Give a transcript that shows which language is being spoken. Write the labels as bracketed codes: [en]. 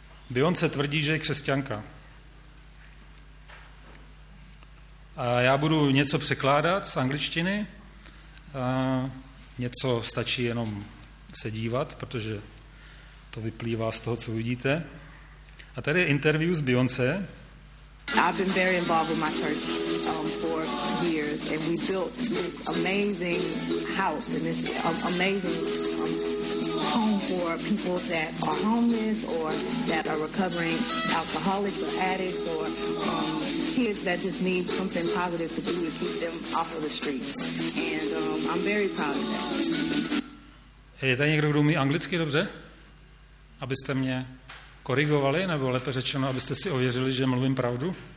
[cs] Beyoncé tvrdí, že je křesťanka. Já budu něco překládat z angličtiny, něco stačí jenom se dívat, protože to vyplývá z toho, co vidíte. A tady je interview s Beyoncé. [en] I've been very involved with my church for years, and we built this amazing house and this amazing home for people that are homeless or that are recovering alcoholics or addicts or kids that just need something positive to do to keep them off of the streets. And I'm very proud of that. [cs] Je tady někdo, kdo umí anglicky dobře? Abyste mě korigovali, nebo lépe řečeno, abyste si ověřili, že mluvím pravdu.